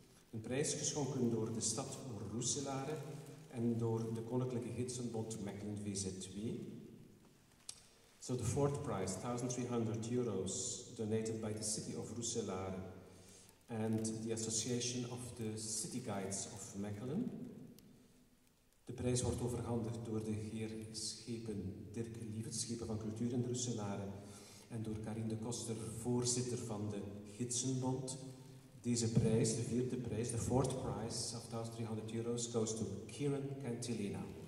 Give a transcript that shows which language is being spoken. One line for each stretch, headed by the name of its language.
Dutch: Een prijs geschonken door de stad Roeselare en door de Koninklijke Gidsenbond Mechelen VZW.
English: So the fourth prize, €1.300, donated by the city of Roeselare and the Association of the City Guides of Mechelen.
Dutch: De prijs wordt overhandigd door de heer Schepen Dirk Lievens, Schepen van Cultuur in Roeselare, en door Karin de Koster, voorzitter van de Gidsenbond. Deze prijs, de vierde prijs, de fourth prize of €1.300, goes to Kieran Cantilena.